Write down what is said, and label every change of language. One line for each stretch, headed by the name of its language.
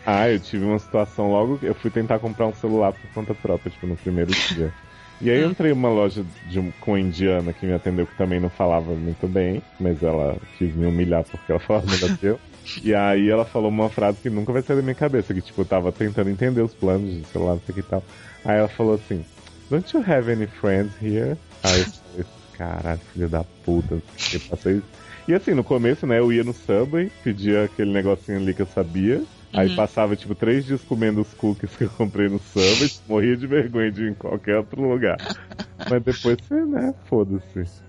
Portuguese: Ah, eu tive uma situação logo, eu fui tentar comprar um celular por conta própria, tipo, no primeiro dia. E aí eu entrei numa loja com uma indiana que me atendeu, que também não falava muito bem, mas ela quis me humilhar porque ela falava melhor que eu. E aí ela falou uma frase que nunca vai sair da minha cabeça, que tipo, eu tava tentando entender os planos do celular, não sei o que tal. Aí ela falou assim,
English: don't you have any friends here?
Portuguese: Aí eu falei, caralho, filho da puta, que passei. E assim, no começo, né, eu ia no Subway, pedia aquele negocinho ali que eu sabia. Aí passava, tipo, 3 dias comendo os cookies que eu comprei no Subway. Morria de vergonha de ir em qualquer outro lugar. Mas depois, né, foda-se.